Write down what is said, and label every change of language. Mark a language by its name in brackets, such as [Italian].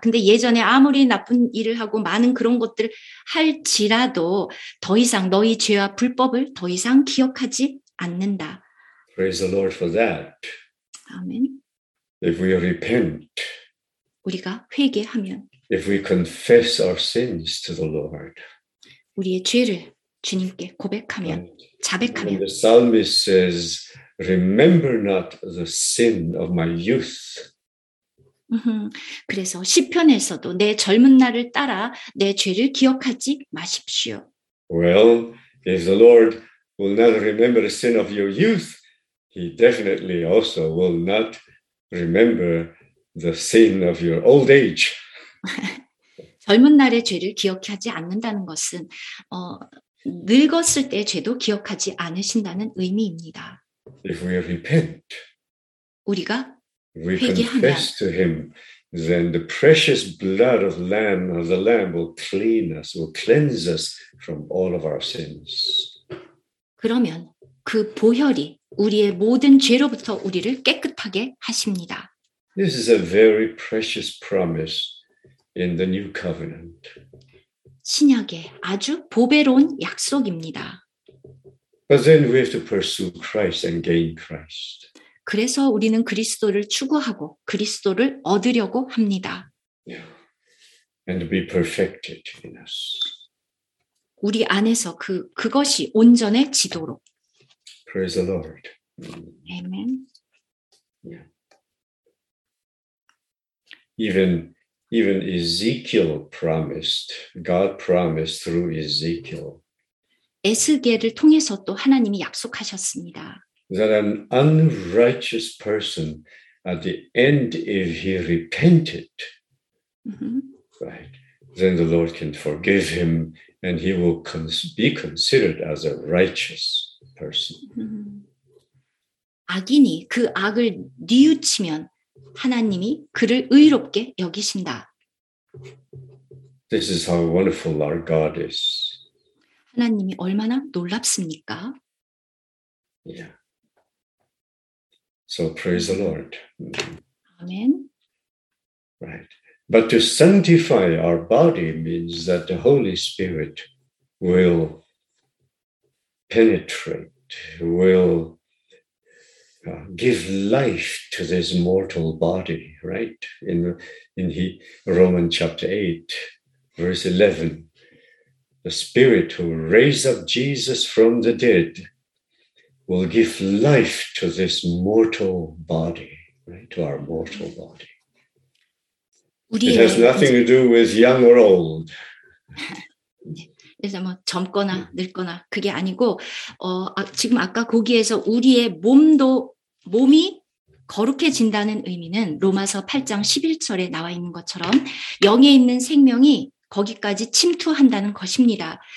[Korean] 근데 예전에 아무리 나쁜 일을 하고 많은 그런 것들을 할지라도 더 이상 너희 죄와 불법을 더 이상 기억하지 않는다. [English] Praise the Lord for that. [Korean] 아멘. [English] If we repent. [Korean] 우리가 회개하면. [English] If we confess our sins to the Lord. [Korean] 우리의 죄를 주님께 고백하면, 자백하면. [English] The psalmist says, remember not the sin of my youth. [Korean] 그래서 시편에서도 내 젊은 날을 따라 내 죄를 기억하지 마십시오. [English] Well, if the Lord will not remember the sin of your youth, he definitely also will not remember the sin of your old age. [Korean] 젊은 날의 죄를 기억하지 않는다는 것은 늙었을 때 죄도 기억하지 않으신다는 의미입니다. [English] If we repent, [Korean] 우리가 [English] confess to him, then the precious blood of Lamb of the Lamb will clean us, will cleanse us from all of our sins. [Korean] 그러면 그 보혈이 우리의 모든 죄로부터 우리를 깨끗하게 하십니다. [English] This is a very precious promise in the new covenant. [Korean] 신약의 아주 보배로운 약속입니다. [English] But then we have to pursue Christ and gain Christ. [Korean] 그래서 우리는 그리스도를 추구하고 그리스도를 얻으려고 합니다. [English] Yeah. And be perfected in us. [Korean] 우리 안에서 그것이 온전해지도록. [English] Praise the Lord. Amen. Yeah. Even Ezekiel promised. God promised through Ezekiel. [Korean] 에스겔을 통해서 또 하나님이 약속하셨습니다. [English] That an unrighteous person at the end, if he repented, right, then the Lord can forgive him and he will be considered as a righteous person. [Korean] 악인이 그 악을 뉘우치면 하나님이 그를 의롭게 여기신다. [English] This is how wonderful our God is. [Korean] 하나님이 얼마나 놀랍습니까? [English] Yeah. So praise the Lord. Amen. Right. But to sanctify our body means that the Holy Spirit will penetrate, will give life to this mortal body, right? In Romans chapter 8, verse 11. The Spirit who raised up Jesus from the dead will give life to this mortal body, right? To our mortal body. It has nothing to do with young or old. [Korean] 그래서 뭐 젊거나 늙거나 그게 아니고 지금 아까 거기에서 우리의 몸이 거룩해진다는 의미는 로마서 8장 11절에 나와 있는 것처럼 영에 있는 생명이 거기까지 침투한다는 것입니다.